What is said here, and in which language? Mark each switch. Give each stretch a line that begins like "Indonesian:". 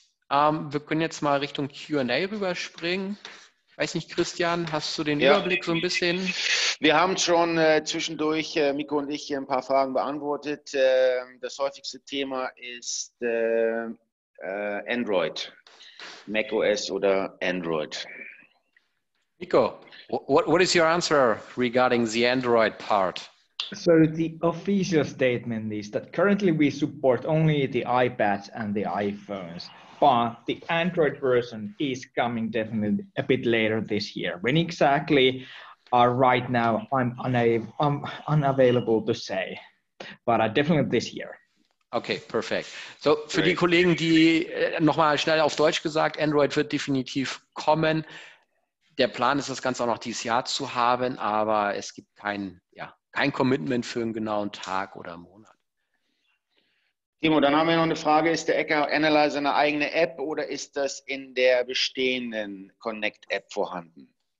German: Wir können jetzt mal Richtung Q&A rüberspringen. Ich weiß nicht, Christian, hast du den Überblick so ein bisschen? Wir haben schon zwischendurch, Mikko und ich, ein paar Fragen beantwortet. Das häufigste Thema ist Android, macOS oder Android.
English: Mikko, what is your answer regarding the Android part? So the official statement is that currently we support only the iPads and the iPhones, but the Android version is coming definitely a bit later this year. When exactly are right now, I'm unavailable to say, but definitely this year.
German: Okay, perfekt. So für die Kollegen, die nochmal schnell auf Deutsch gesagt, Android wird definitiv kommen. Der Plan ist, das Ganze auch noch dieses Jahr zu haben, aber es gibt kein Commitment für einen genauen Tag oder Monat. Timo, dann haben wir noch eine Frage. Ist der Echo Analyzer eine eigene App oder ist das in der bestehenden Connect-App vorhanden?